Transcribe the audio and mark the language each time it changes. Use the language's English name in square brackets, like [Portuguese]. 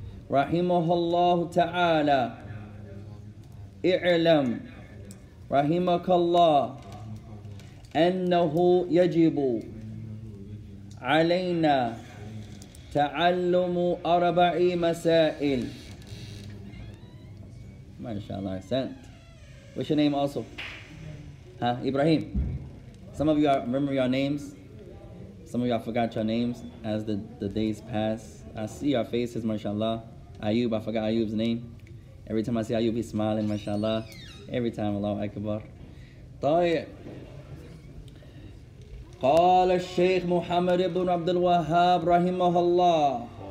[Arabic] رحمه الله تعالى اعلم رحمك الله أنه يجب علينا تعلم أربع مسائل ما شاء الله سنت [English] What's your name also? Huh? Ibrahim. Some of you remember your names? Some of y'all forgot your names as the days pass. I see your faces, mashallah. Ayub, I forgot Ayub's name. Every time I see Ayub, he's smiling, mashallah. Every time, Allahu Akbar. [Arabic] طيب. قال الشيخ محمد بن عبد الوهاب رحمه الله.